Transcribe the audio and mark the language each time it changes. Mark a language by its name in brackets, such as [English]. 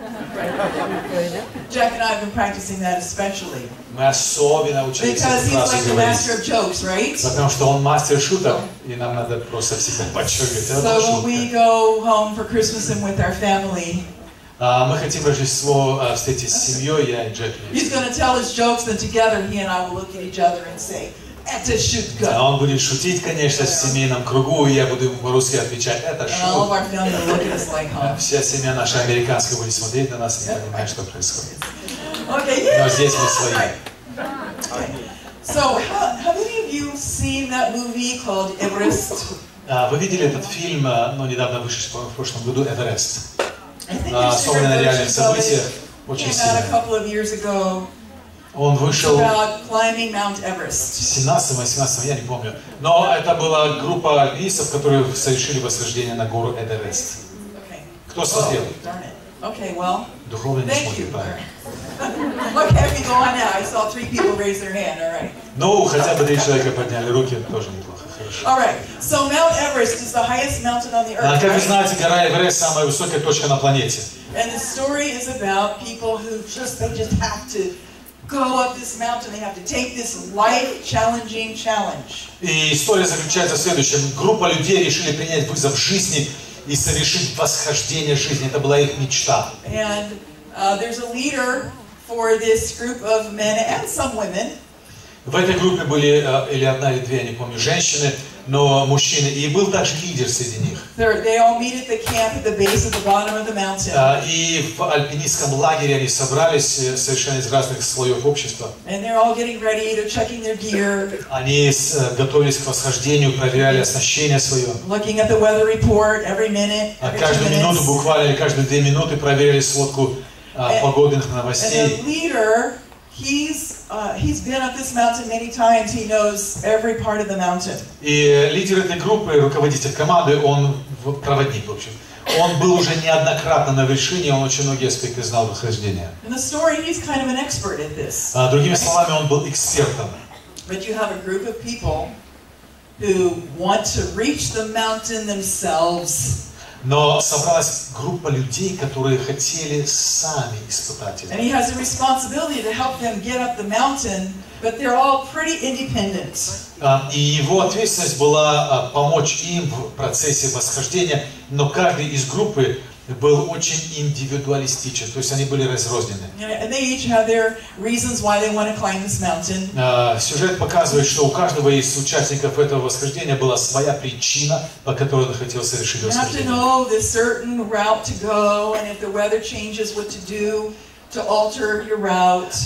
[English] Jack and I have been practicing that especially. [Russian] Мы особенно учились [English] because he's [Russian] фразу [English] like the master of jokes, right? [Russian] Потому что он мастер шуток, и нам надо просто всегда подчеркивать. [English] So when we go home for Christmas and with our family. [Russian] Мы хотим Рождество встретить с семьей, я и Джек. [English] He's going to tell his jokes, then together he and I will look at each other and say, "Это шутка." [Russian] Да, он будет шутить, конечно, в семейном кругу, и я буду ему по-русски отвечать, "Это шутка." Вся семья наша американская будет смотреть на нас и понимать, что происходит. [English] Okay, yeah. [Russian] Но здесь мы свои. Okay. [English] So, how many of you seen that movie called Everest? [Russian] Вы видели этот фильм, но недавно вышедший в прошлом году Эверест? Основанный на реальных событиях, очень сильный. [English] Came out a couple of years ago. [Russian] Он вышел в 17-18, я не помню. Но это была группа альпинистов, которые совершили восхождение на гору Эверест. [English] Okay. [Russian] Кто смотрел? [English] Oh, okay, well, [Russian] духовный не смотрел. [English] Okay, we go on now. I saw three people raise their hand. All right. [Russian] Ну, хотя бы три человека подняли руки, тоже неплохо. [English] All right. So Mount Everest is the highest mountain on the earth. [Russian] Как вы знаете, гора Эверест самая высокая точка на планете. [English] And the story is about people who just have to go up this mountain. They have to take this life-challenging challenge. [Russian] И история заключается в следующем: группа людей решили принять вызов жизни и совершить восхождение жизни. Это была их мечта. [English] And there's a leader for this group of men and some women. [Russian] В этой группе были или одна или две, я не помню, женщины, но мужчины, и был также лидер среди них. [English] They all meet at the camp at the base of the bottom of the mountain. [Russian] И в альпинистском лагере они собрались совершенно из разных слоев общества. [English] And they're all getting ready, they're checking their gear. [Russian] Они готовились к восхождению, проверяли оснащение свое. [English] Looking at the weather report every minute. [Russian] А каждую минуту, буквально или каждые две минуты проверяли сводку погодных новостей. [English] And the leader, he's been up this mountain many times. He knows every part of the mountain. [Russian] И лидер этой группы, руководитель команды, он проводник, в общем. Он был уже неоднократно на вершине, он очень многие аспекты знал восхождения. [English] In the story, he's kind of an expert at this. [Russian] Другими словами, он был экспертом. [English] But you have a group of people who want to reach the mountain themselves. [Russian] Но собралась группа людей, которые хотели сами испытать это. [English] And he has a responsibility to help them get up the mountain, but they're all pretty independent. [Russian] И его ответственность была помочь им в процессе восхождения, но каждый из группы был очень индивидуалистичен, то есть они были разрознены. [English] And they each have their reasons why they want to climb this mountain. [Russian] Сюжет показывает, что у каждого из участников этого восхождения была своя причина, по которой он хотел совершить восхождение. [English] You have to know the certain route to go, and if the weather changes, what to do to alter your route.